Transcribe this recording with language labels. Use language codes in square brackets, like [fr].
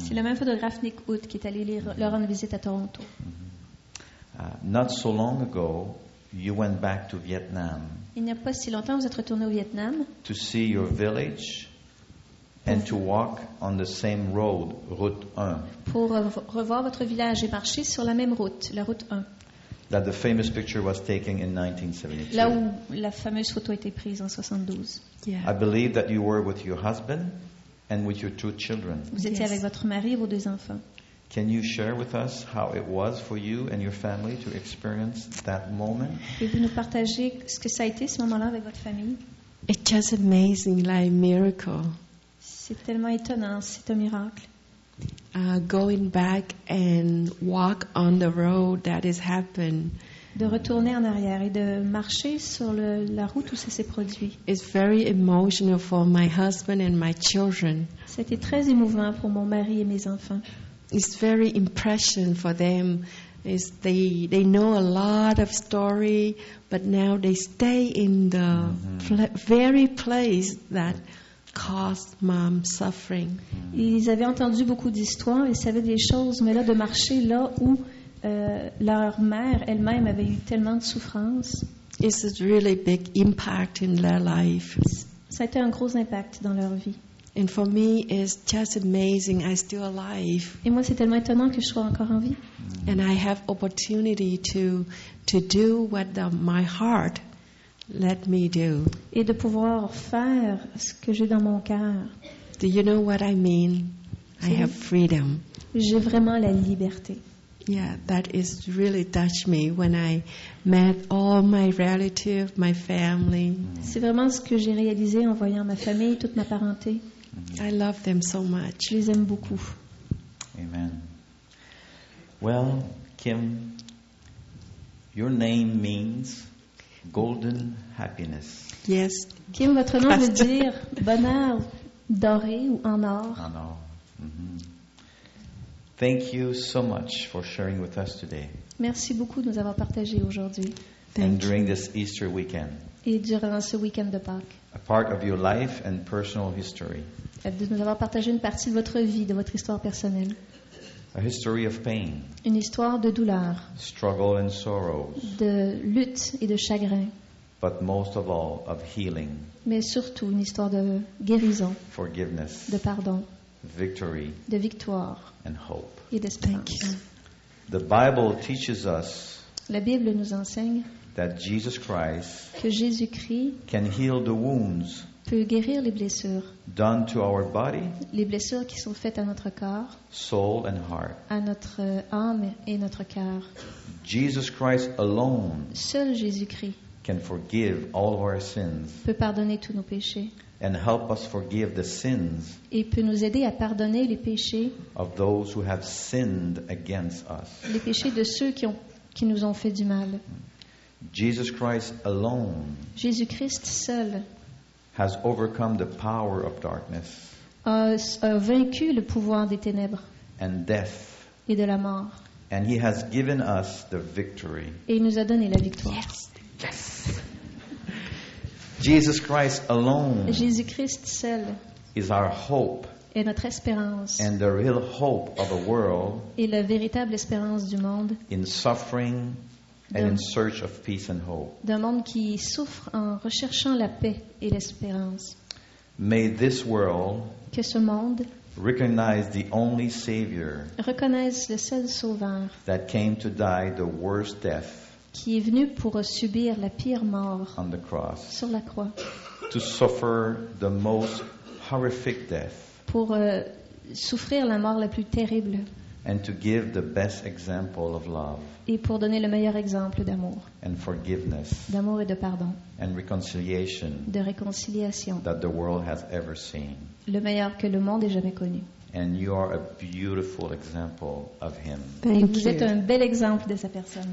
[fr] C'est le même photographe Nick Wood qui est allé le rendre visite à Toronto. Mm-hmm. [en] Not so long ago, you went back to Vietnam. [fr] Il n'y a pas si longtemps, vous êtes retourné au Vietnam. [en] To see your village and to walk on the same road, route 1. [fr] Pour revoir votre village et marcher sur la même route, la route 1. [en] That the famous picture was taken in 1972. [fr] Là où la fameuse photo a été prise en 72. [en] Yeah. I believe that you were with your husband and with your two children. [fr] Vous étiez avec votre mari et vos deux enfants. [en] Can you share with us how it was for you and your family to experience that moment? [fr] Pouvez-vous nous partager ce que ça a été ce moment-là avec votre famille? [en] It's just amazing, like a miracle. [fr] C'est tellement étonnant, c'est un miracle. [en] Going back and walk on the road that has happened. [fr] De retourner en arrière et de marcher sur la route où ça s'est produit. [en] It's very emotional for my husband and my children. [fr] C'était très émouvant pour mon mari et mes enfants. [en] It's very impression for them. Is they know a lot of story, but now they stay in the very place that caused mom suffering. [fr] Ils avaient entendu beaucoup d'histoires, ils savaient des choses, mais là, de marcher là où leur mère elle-même avait eu tellement de souffrance. [en] It's a really big impact in their life. [fr] Ça a été un gros impact dans leur vie. [en] And for me, it's just amazing. I'm still alive. [fr] Et moi, c'est tellement étonnant que je sois encore en vie. [en] And I have opportunity to do what my heart let me do. [fr] Et de pouvoir faire ce que j'ai dans mon cœur. [en] Do you know what I mean? I have freedom. [fr] J'ai vraiment la liberté. [en] Yeah, that is really touched me when I met all my relatives, my family. [fr] C'est vraiment ce que j'ai réalisé en voyant ma famille, toute ma parenté. [en] I love them so much. [fr] Je les aime beaucoup. [en] Amen. Well, Kim, your name means golden happiness. Yes. [fr] Kim, votre nom veut dire bonheur doré ou en or. En or. Mm-hmm. [en] Thank you so much for sharing with us today. [fr] Merci beaucoup de nous avoir partagé aujourd'hui. [en] And during this Easter weekend. [fr] Et durant ce week-end de Pâques. [en] A part of your life and personal history. [fr] De nous avoir partagé une partie de votre vie, de votre histoire personnelle. [en] A history of pain. [fr] Une histoire de douleur. [en] Struggle and sorrows. [fr] De lutte et de chagrin. [en] But most of all, of healing. [fr] Mais surtout une histoire de guérison. [en] Forgiveness. [fr] De pardon. [en] Victory. [fr] De victoire. [en] And hope. [fr] Et d'espérance. [en] The Bible teaches us. [fr] La Bible nous enseigne. [en] That Jesus Christ. [fr] Que Jésus-Christ. [en] Can heal the wounds. [fr] Peut guérir les blessures. [en] Done to our body. [fr] Les blessures qui sont faites à notre corps. [en] Soul and heart. [fr] À notre âme et notre cœur. [en] Jesus Christ alone. [fr] Seul Jésus-Christ. [en] Can forgive all of our sins. [fr] Peut pardonner tous nos péchés. [en] And help us forgive the sins. [fr] Et peut nous aider à pardonner les péchés. [en] Of those who have sinned against us. [fr] Les péchés de ceux qui nous ont fait du mal. [en] Jesus Christ alone. [fr] Jésus-Christ seul. [en] Has overcome the power of darkness. [fr] A vaincu le pouvoir des ténèbres. [en] And death. [fr] Et de la mort. [en] And he has given us the victory. [fr] Et il nous a donné la victoire. [en] Yes. Jesus Christ alone. [fr] Jésus-Christ seul. [en] Is our hope. [fr] Et notre espérance. [en] And the real hope of a world. [fr] Et la véritable espérance du monde. [en] In suffering and in search of peace and hope. [fr] D'un monde qui souffre en recherchant la paix et l'espérance. [en] May this world. [fr] Que ce monde. [en] Recognize the only Savior. [fr] Reconnaisse le seul Sauveur. [en] That came to die the worst death. [fr] Qui est venu pour subir la pire mort [en] on the cross, [fr] sur la croix, [en] to suffer the most horrific death, [fr] pour souffrir la mort la plus terrible, [en] and to give the best example of love, [fr] et pour donner le meilleur exemple d'amour, [en] and forgiveness, [fr] d'amour et de pardon, [en] and reconciliation, [fr] de réconciliation, [en] that the world has ever seen, [fr] le meilleur que le monde ait jamais connu. [en] And you are a beautiful example of him. Thank you. [fr] Vous êtes un bel exemple de sa personne.